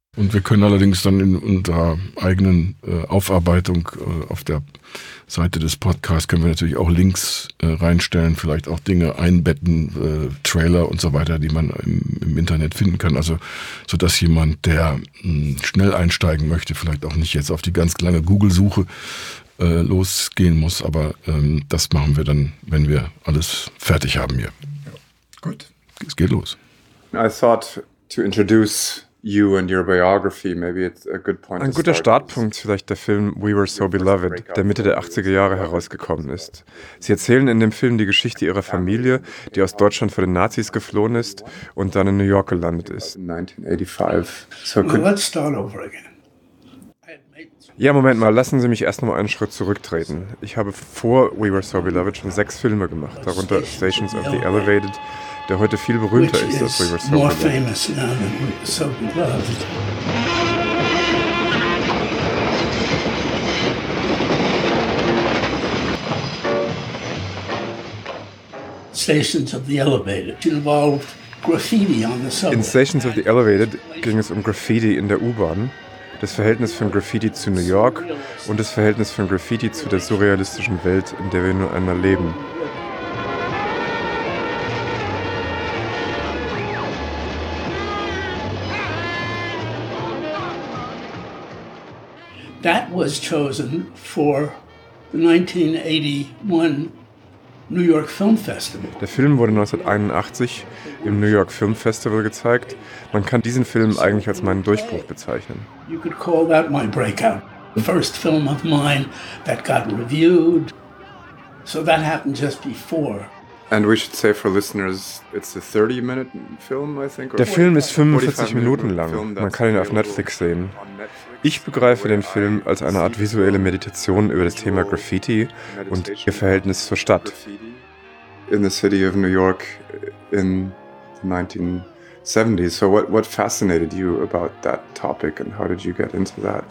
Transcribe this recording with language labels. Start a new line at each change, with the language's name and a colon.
German: Und wir können allerdings dann in unserer eigenen Aufarbeitung auf der Seite des Podcasts können wir natürlich auch Links reinstellen, vielleicht auch Dinge einbetten, Trailer und so weiter, die man im Internet finden kann. Also so dass jemand, der schnell einsteigen möchte, vielleicht auch nicht jetzt auf die ganz lange Google-Suche losgehen muss. Aber das machen wir dann, wenn wir alles fertig haben hier. Ja. Gut. Es geht los.
English: I thought to introduce you and your biography, maybe it's a good point.
German: Ein guter Startpunkt ist vielleicht der Film We Were So Beloved, der Mitte der 80er Jahre herausgekommen ist. Sie erzählen in dem Film die Geschichte ihrer Familie, die aus Deutschland vor den Nazis geflohen ist und dann in New York gelandet ist. 1985.
English: So let's start over again. I had made
German: Ja, Moment mal, lassen Sie mich erst noch mal einen Schritt zurücktreten. Ich habe vor We Were So Beloved schon 6 Filme gemacht, darunter Stations of the Elevated, der heute viel berühmter ist als We Were So Beloved.
English: Stations of the Elevated involved graffiti on the subway.
German: In Stations of the Elevated ging es um Graffiti in der U-Bahn, das Verhältnis von Graffiti zu New York und das Verhältnis von Graffiti zu der surrealistischen Welt, in der wir nur einmal leben.
English: That was chosen for the 1981 New York Film Festival.
German: Der Film wurde 1981 im New York Film Festival gezeigt. Man kann diesen Film eigentlich als meinen Durchbruch bezeichnen.
English: You could call that my breakout. The first film of mine that got reviewed. So that happened just before. And we should say for listeners, it's a 30-minute film, I think.
German: Der Film ist 45 Minuten lang. Man kann ihn auf Netflix sehen. Ich begreife den Film als eine Art visuelle Meditation über das Thema Graffiti und ihr Verhältnis zur Stadt.
English: In the city of New York in the 1970s. So what fascinated you about that topic and how did you get into that?